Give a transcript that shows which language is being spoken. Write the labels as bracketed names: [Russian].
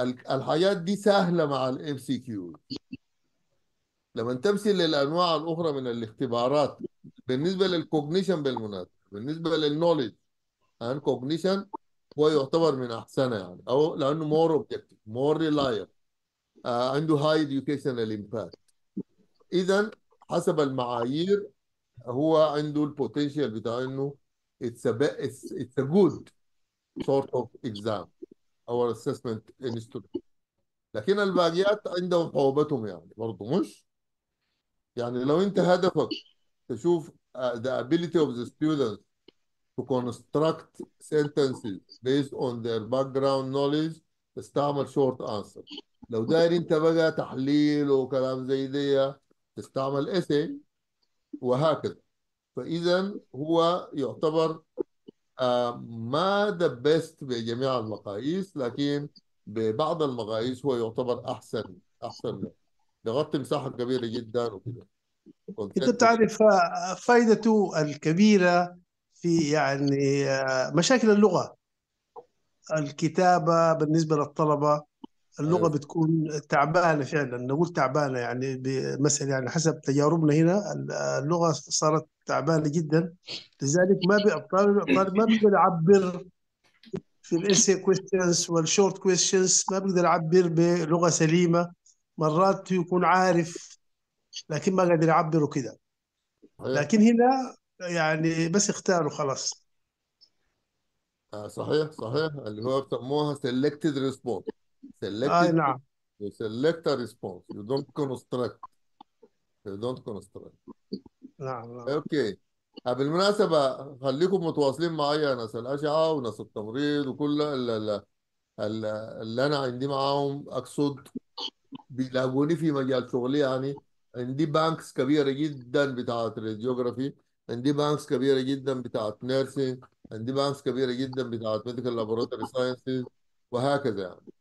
[Arabic] الحياة دي سهلة مع الـ MCQ. لما تمثل للأنواع الأخرى من الاختبارات، بالنسبة للكوجنيشن بالمناسبة، بالنسبة للنوليدج أن كوجنيشن هو يعتبر من أحسنها يعني، أو لأنه [English] مور أوبجكتيف مور ريلاير، عنده هاي إديوكيشنال إمباكت. [Arabic] إذا حسب المعايير هو عنده البوتنشال بتاع إنه [English] it's a good sort of exam our assessment instrument. [Arabic] لكن الباقيات عندهم صعوبتهم يعني برضه، مش يعني لو انت هدفك تشوف [English] the ability of the students to construct sentences based on their background knowledge، [Arabic] تستعمل short answer. لو داير انت بقى تحليل وكلام زي دي، تستعمل essay وهكذا. فاذا هو يعتبر ما [English] the best [Arabic] بجميع المقاييس، لكن ببعض المقاييس هو يعتبر أحسن بغطي مساحة كبيرة جدا وكده. أنت بتعرف فائدته الكبيرة في يعني مشاكل اللغة، الكتابة بالنسبة للطلبة، اللغة بتكون تعبانة فعلا، نقول تعبانة يعني مثلا، يعني حسب تجاربنا هنا اللغة صارت تعبانة جدا، لذلك ما الطالب ما بيقدر يعبر في الاسي كويستشنز والشورت كويستشنز، ما بيقدر يعبر بلغة سليمة، مرات يكون عارف لكن ما قادر يعبر وكده، لكن هنا يعني بس اختار وخلاص. صحيح صحيح، اللي هو بسموها selected response. اي نعم، [English] you select a response، you don't construct، you don't construct. [Arabic] نعم اوكي. بالمناسبه خليكم متواصلين معايا، انا اسال الاشعه وناس التمريض وكل اللي انا عندي معاهم، اقصد بيلاقوني في مجال شغلي يعني. عندي بانكس كبيره جدا بتاعت راديوجرافي، عندي بانكس كبيره جدا بتاعت نيرسينج، عندي بانكس كبيره جدا بتاعت ميديكال لابوراتوري ساينسز وهكذا يعني.